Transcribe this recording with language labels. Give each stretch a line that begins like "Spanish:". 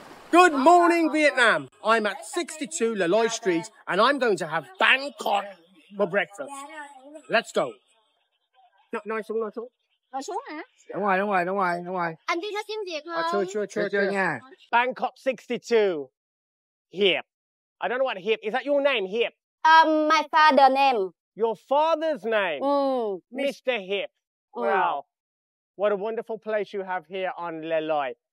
English: Good morning, Vietnam. I'm at 62 La Loi Street and I'm going to have banh khot for breakfast. Let's go.
Vietnamese: Nói xuống, nói xuống. Nói xuống hả? Đúng rồi, đúng rồi, đúng rồi, đúng rồi. Anh đi nói tiếng Việt không? Chưa, chưa, chưa, chưa nha. Banh khot 62. Hiệp.
English: I don't know what Hiệp. Is that your name, Hiệp? My father's name. Your father's name? Mm. Mr. Hiệp. Mm. Wow. What a wonderful place you have here on La Loi.